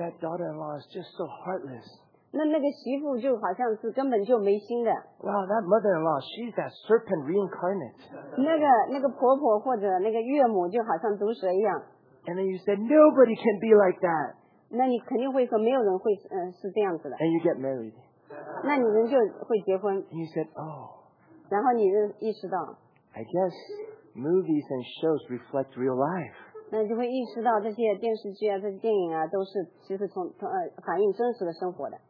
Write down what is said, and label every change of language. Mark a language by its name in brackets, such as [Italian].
[English] Man, that daughter-in-law is just so heartless. [Chinese] 那个媳妇就好像是根本就没心的。 [English] Wow, that mother-in-law, she's that serpent reincarnate. [Chinese] 那个婆婆或者那个岳母就好像毒蛇一样。 [English] And then you said, nobody can be like that. [Chinese] 那你肯定会说没有人会是这样子的。 [English] And you get married. [Chinese] 那你人就会结婚。 [English] And you said, oh. [Chinese] 然后你意识到。 [English] I guess movies and shows reflect real life. [Chinese] 那你就会意识到这些电视剧啊，这些电影啊，都是其实从反映真实的生活的。